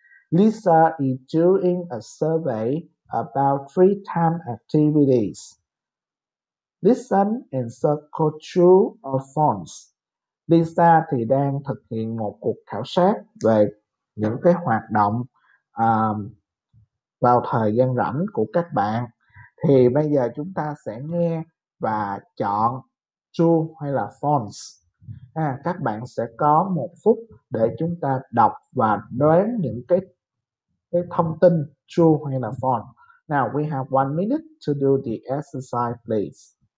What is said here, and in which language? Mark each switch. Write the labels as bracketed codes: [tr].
[en] Lisa is doing a survey about free time activities. Listen and circle true or false. [vi] Lisa thì đang thực hiện một cuộc khảo sát về những cái hoạt động vào thời gian rảnh của các bạn. Thì bây giờ chúng ta sẽ nghe và chọn true hay là false. À, các bạn sẽ có một phút để chúng ta đọc và đoán những cái thông tin true hay là false. [en] Now we have 1 minute to do the exercise, please.